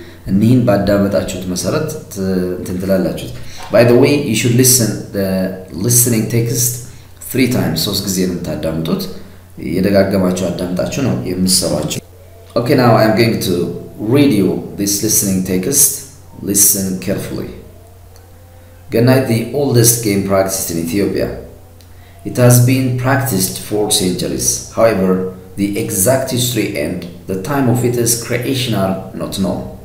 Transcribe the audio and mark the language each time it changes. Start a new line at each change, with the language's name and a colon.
Amharic: እነዚህን ባዳመጣችሁት መሰረት እንትላላችሁ.
English: By the way, you should listen the listening text 3 times.
Amharic: ሶስት ጊዜ ነው ታዳምጡት. የደጋገማችሁ አዳምጣችሁ ነው የምሰራችሁ.
English: Okay, now I'm going to read you this listening text. Listen carefully. Gannai, the oldest game practiced in Ethiopia. It has been practiced for centuries. However, the exact history and the time of its creation are not known.